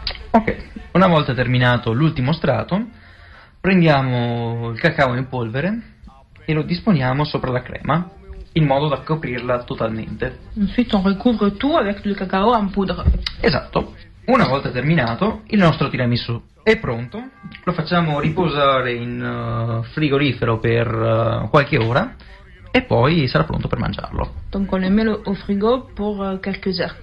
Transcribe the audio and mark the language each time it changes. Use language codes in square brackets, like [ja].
[it] Ok, una volta terminato l'ultimo strato, prendiamo il cacao in polvere e lo disponiamo sopra la crema, in modo da coprirla totalmente. [fr] Ensuite on recouvre tout avec le cacao en poudre. [it] Esatto. Una volta terminato, il nostro tiramisù è pronto. Lo facciamo riposare in frigorifero per qualche ora e poi sarà pronto per mangiarlo. [fr] Donc on le met au frigo pour quelques heures.